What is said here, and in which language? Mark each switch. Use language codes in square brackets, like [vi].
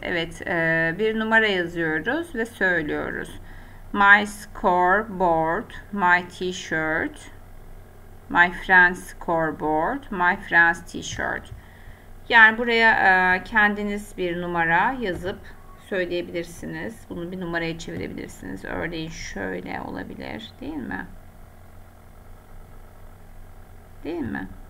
[tr] Evet, bir numara yazıyoruz ve söylüyoruz. [en] My scoreboard, my t-shirt, my friend's scoreboard, my friend's t-shirt. [tr] Yani buraya kendiniz bir numara yazıp söyleyebilirsiniz. Bunu bir numaraya çevirebilirsiniz. Örneğin şöyle olabilir, değil mi? Değil mi?